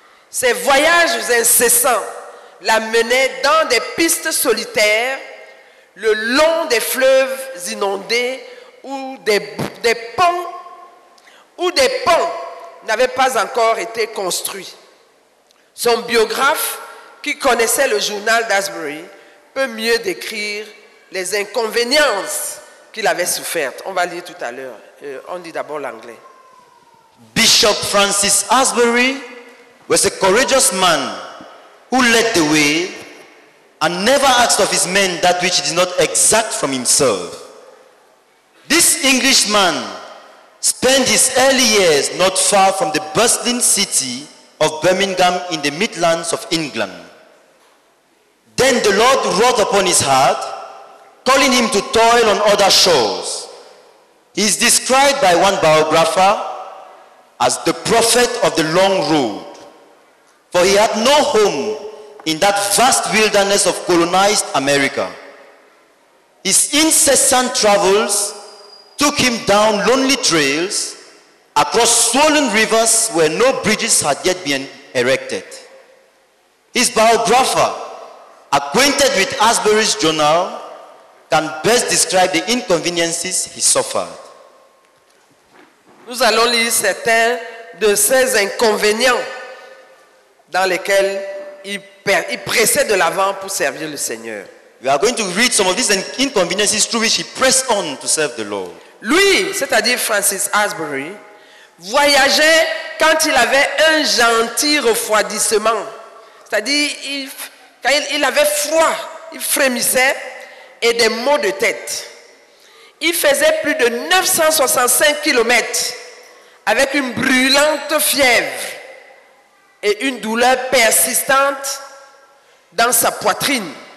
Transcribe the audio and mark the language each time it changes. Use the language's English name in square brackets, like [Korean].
[French] Ses voyages incessants l'amenaient dans des pistes solitaires, le long des fleuves inondés ou des ponts n'avaient pas encore été construits. Son biographe, qui connaissait le journal d'Asbury, peut mieux décrire les inconvénients qu'il avait souffertes. On va lire tout à l'heure. On lit d'abord l'anglais. [English] Bishop Francis Asbury was a courageous man who led the way and never asked of his men that which did not exact from himself. This Englishman spent his early years not far from the bustling city of Birmingham in the Midlands of England. Then the Lord wrote upon his heart, calling him to toil on other shores. He is described by one biographer as the prophet of the long road, for he had no home in that vast wilderness of colonized America. His incessant travels took him down lonely trails across swollen rivers where no bridges had yet been erected. His biographer, acquainted with Asbury's journal, can best describe the inconveniences he suffered. [French] Nous allons lire certains de ces inconvénients dans lesquels il pressait de l'avant pour servir le Seigneur. [English] We are going to read some of these inconveniences through which he pressed on to serve the Lord. [French] Lui, c'est-à-dire Francis Asbury, voyageait quand il avait un gentil refroidissement. C'est-à-dire, quand il avait froid, il frémissait et des maux de tête. Il faisait plus de 965 kilomètres avec une brûlante fièvre et une douleur persistante dans sa poitrine.